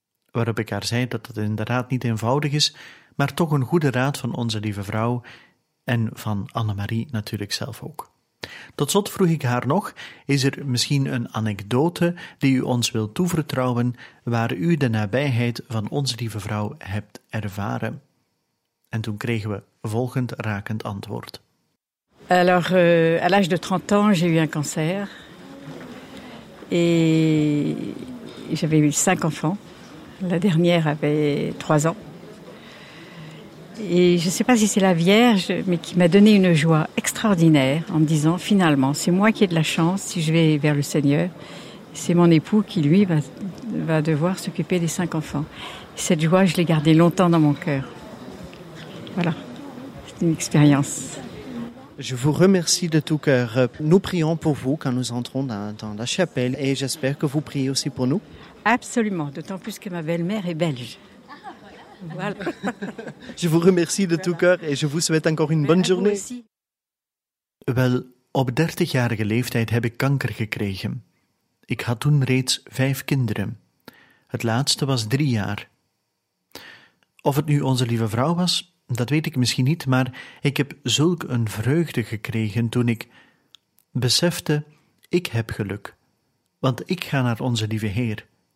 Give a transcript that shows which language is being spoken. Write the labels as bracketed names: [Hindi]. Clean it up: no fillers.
[Dutch] Waarop ik haar zei dat het inderdaad niet eenvoudig is, maar toch een goede raad van onze lieve vrouw, en van Annemarie natuurlijk zelf ook. Tot slot vroeg ik haar nog, is er misschien een anekdote die u ons wil toevertrouwen waar u de nabijheid van onze lieve vrouw hebt ervaren? En toen kregen we volgend rakend antwoord. [French] Alors, à l'âge de 30 ans, j'ai eu un cancer. Et j'avais eu 5 enfants. La dernière avait 3 ans. Et je ne sais pas si c'est la Vierge, mais qui m'a donné une joie extraordinaire en me disant, finalement, c'est moi qui ai de la chance si je vais vers le Seigneur. C'est mon époux qui, lui, va devoir s'occuper des 5 enfants. Et cette joie, je l'ai gardée longtemps dans mon cœur. Voilà, c'est une expérience. Je vous remercie de tout cœur. Nous prions pour vous quand nous entrons dans la chapelle et j'espère que vous priez aussi pour nous. Absolument, d'autant plus que ma belle-mère est belge. Voilà. Je vous remercie de tout cœur et je vous souhaite encore une bonne journée. [Dutch] Wel, op 30-jarige leeftijd heb ik kanker gekregen. Ik had toen reeds 5 kinderen. Het laatste was 3 jaar. Of het nu onze lieve vrouw was, dat weet ik misschien niet, maar ik heb zulk een vreugde gekregen toen ik besefte, ik heb geluk, want ik ga naar onze lieve Heer.